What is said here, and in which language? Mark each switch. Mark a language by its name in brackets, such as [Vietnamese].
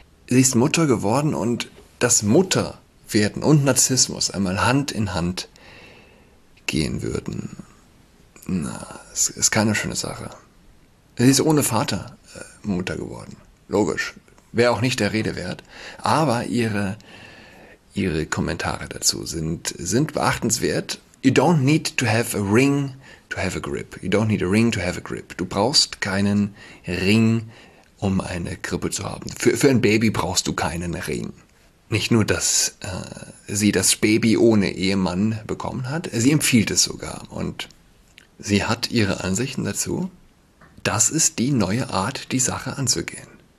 [German] Sie ist Mutter geworden und dass Mutterwerden und Narzissmus einmal Hand in Hand gehen würden, na, ist keine schöne Sache. Sie ist ohne Vater Mutter geworden. Logisch. Wäre auch nicht der Rede wert. Aber ihre Kommentare dazu sind beachtenswert. [English] You don't need to have a ring to have a grip. You don't need a ring to have a grip. [German] Du brauchst keinen Ring, um eine Grippe zu haben. Für ein Baby brauchst du keinen Ring. Nicht nur, dass sie das Baby ohne Ehemann bekommen hat, sie empfiehlt es sogar. Und sie hat ihre Ansichten dazu. Das ist die neue Art, die Sache anzugehen.